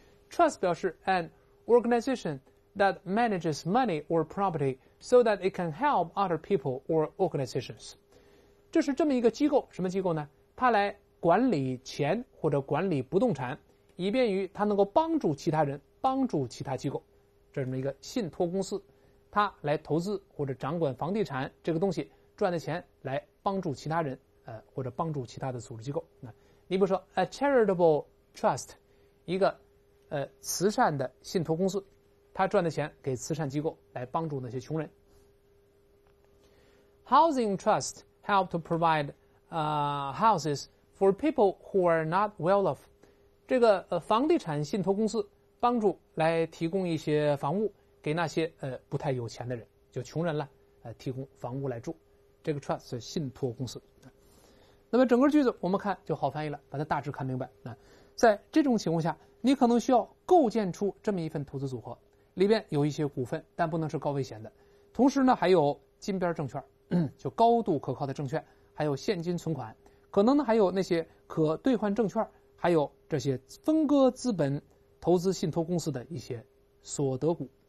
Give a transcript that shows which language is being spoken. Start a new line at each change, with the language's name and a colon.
English: Trust
Chinese: 表示
English: an organization that manages money or property so that it can help other people or organizations.
Chinese: 这是这么一个机构，什么机构呢？它来管理钱或者管理不动产，以便于它能够帮助其他人，帮助其他机构。这是一个信托公司，它来投资或者掌管房地产这个东西，赚的钱来帮助其他人，或者帮助其他的组织机构。那你比如说
English: a charitable trust，
Chinese: 一个慈善的信托公司，他赚的钱给慈善机构来帮助那些穷人。
English: Housing trust help to provide houses for people who are not well off。
Chinese: 这个房地产信托公司帮助来提供一些房屋给那些不太有钱的人，就穷人了，提供房屋来住。这个 trust 是信托公司。那么整个句子我们看就好翻译了，把它大致看明白。在这种情况下，你可能需要构建出这么一份投资组合，里边有一些股份，但不能是高危险的，同时呢还有金边证券，就高度可靠的证券，还有现金存款，可能呢还有那些可兑换证券，还有这些分割资本投资信托公司的一些所得股。